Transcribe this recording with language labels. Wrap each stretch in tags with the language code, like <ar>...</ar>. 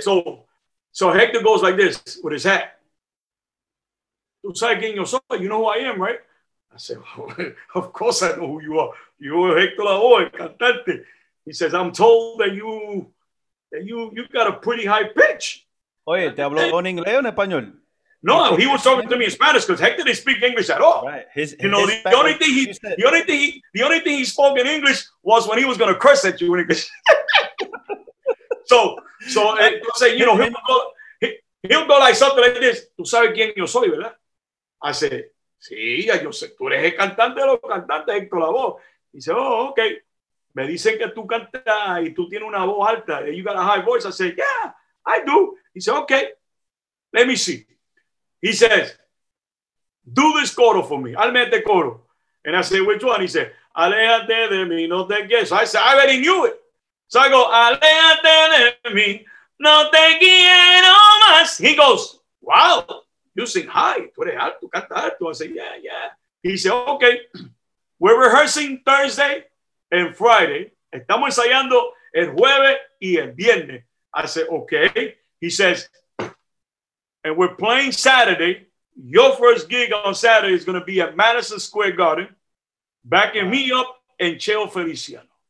<en>So, so Hector goes like this with his hat. You know who I am, right? I said, well, of course I know who you are. You're Hector Lao,</en> <es>el cantante.</es> <en>He says, I'm told that you've got a pretty high pitch.</en> <es>Oye, ¿te habló en inglés o en español?</es> <en>No, he was talking to me in Spanish because Hector didn't speak English at all. Right. His, you know, his the, only thing he, the only thing he the only thing he spoke in English was when he was going to curse at you in English. So Hector said, you know, he'll go like something like this.</en> <es>¿Tú sabes quién yo soy, verdad?</es> <en>I said,</en> <es>sí, yo sé. Tú eres el cantante de los cantantes, Hector Lavoe.</es> <en>He said, oh, okay.</en> <es>Me dicen que tú cantas y tú tienes una voz alta.</es> <en>You got a high voice. I said, yeah, I do. He said, okay, let me see. He says, do this coro for me. I'll make the coro. And I said, which one? He said,</en> <es>aléjate de mí, no te quieres.</es> <en>So I said, I already knew it. So I go,</en> <es>aléjate de mí, no te quiero más.</es> <en>He goes, wow, you sing high.</en> <es>Tú eres alto, canta alto.</es> <en>I said, yeah, yeah. He said, okay, we're rehearsing Thursday and Friday.</en> <es>Estamos ensayando el jueves y el viernes.</es> <en>I said, okay. He says, and we're playing Saturday. Your first gig on Saturday is going to be at Madison Square Garden, backing me up and Cheo Feliciano.</en>